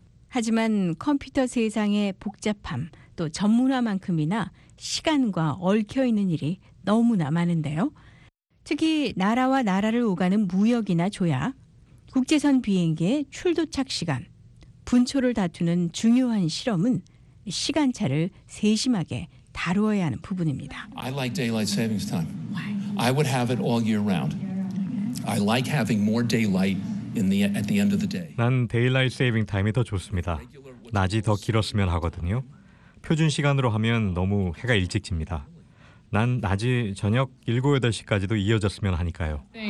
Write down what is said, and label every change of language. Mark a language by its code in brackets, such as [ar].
[ko] 하지만 컴퓨터 세상의 복잡함 또 전문화만큼이나 시간과 얽혀있는 일이 너무나 많은데요. 특히 나라와 나라를 오가는 무역이나 조약, 국제선 비행기의 출도착 시간, 분초를 다투는 중요한 실험은 시간차를 세심하게 다루어야 하는 부분입니다. [en] I like daylight savings time. I would have it all year round. I like having more daylight in the at the end of the day. [ko] 난 daylight saving time이 더 좋습니다. 낮이 더 길었으면 하거든요. 표준 시간으로 하면 너무 해가 일찍 집니다. 난 낮이 저녁 7, 8시까지도 이어졌으면 하니까요.